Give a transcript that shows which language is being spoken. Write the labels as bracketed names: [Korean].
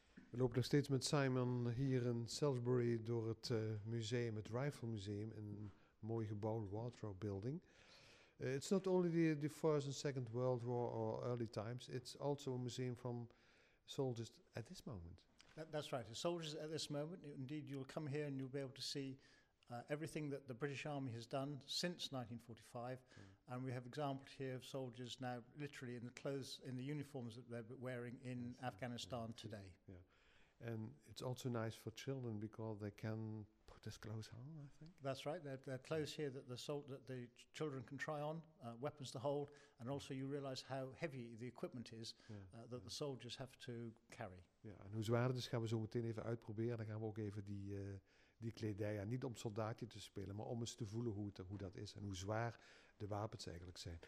[Dutch] loop nog steeds met Simon hier in Salisbury door het museum, het Rifle Museum, een mooi gebouw, Waldrow Building. [English] It's not only the First and Second World War or early times, it's also a museum from soldiers at this moment. That's right, the soldiers at this moment. Indeed, you'll come here and you'll be able to see everything that the British Army has done since 1945. Mm. And we have examples here of soldiers now literally in the clothes, in the uniforms that they're wearing in Afghanistan today. Yeah. And it's also nice for children because they can put this clothes on, I think. That's right. They're clothes here that the children can try on, weapons to hold, and also you realise how heavy the equipment is the soldiers have to carry. [Dutch] Ja, en hoe zwaar het is, gaan we zo meteen even uitproberen. Dan gaan we ook even die kledij aan. Niet om soldaatje te spelen, maar om eens te voelen hoe dat is en hoe zwaar de wapens eigenlijk zijn.